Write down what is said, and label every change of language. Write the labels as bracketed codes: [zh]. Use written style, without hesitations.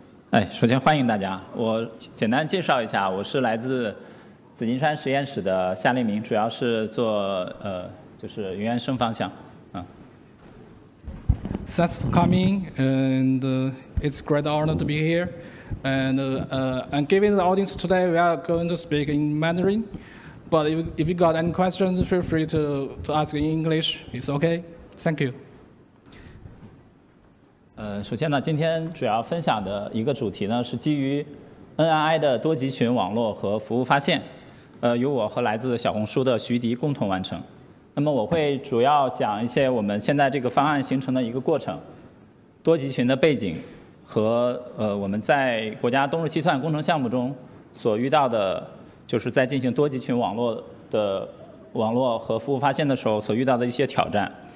[zh] 哎，首先欢迎大家，我简单介绍一下，我是来自紫金山实验室的夏立明，主要是做就是云原生方向。 [en] Thanks for coming, and it's great honor to be here. And given the audience today, we are going to speak in Mandarin. But if you got any questions, feel free to ask in English. It's okay. Thank you. [zh] 首先呢，今天主要分享的一个主题呢，是基于 NII 的多集群网络和服务发现，由我和来自小红书的徐迪共同完成。那么我会主要讲一些我们现在这个方案形成的一个过程，多集群的背景和我们在国家冬日计算工程项目中所遇到的，就是在进行多集群网络和服务发现的时候所遇到的一些挑战。